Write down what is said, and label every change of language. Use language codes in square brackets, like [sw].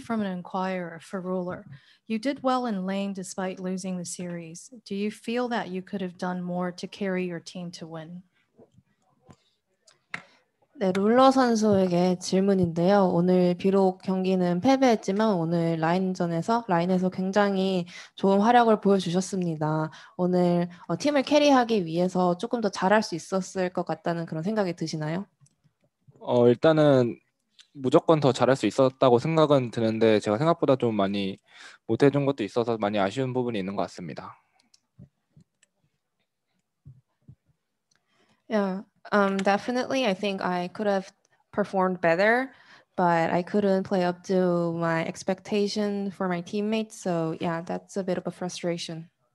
[en] from an Inquirer for Ruler, you did well in lane despite losing the series. Do you feel that you could have done more to carry your team to win? [ko] 네, 룰러 선수에게 질문인데요. 오늘 비록 경기는 패배했지만 오늘 라인전에서 라인에서 굉장히 좋은 활약을 보여주셨습니다. 오늘 팀을 캐리하기 위해서 조금 더 잘할 수 있었을 것 같다는 그런 생각이 드시나요? 일단은 무조건 더 잘할 수 있었다고 생각은 드는데 제가 생각보다 좀 많이 못해준 것도 있어서 많이 아쉬운 부분이 있는 것 같습니다. [en] Yeah. Definitely, I think I could have performed better, but I couldn't play up to my expectation for my teammates. So yeah, that's a bit of a frustration.